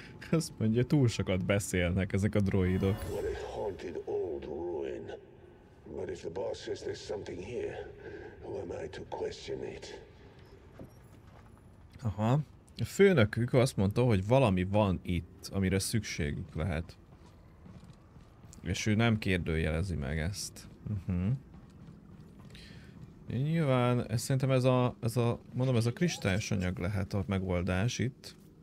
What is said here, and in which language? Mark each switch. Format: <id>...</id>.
<hu>Azt mondja, túl sokat beszélnek ezek a droidok.</hu> <en>What a haunted old ruin. But if the boss says there's something here, who am I to question it? Aha.</en> <hu>A főnökük azt mondta, hogy valami van itt, amire szükségük lehet. És ő nem kérdőjelezi meg ezt. Nyilván, szerintem ez a kristályos anyag lehet a megoldás itt.</hu>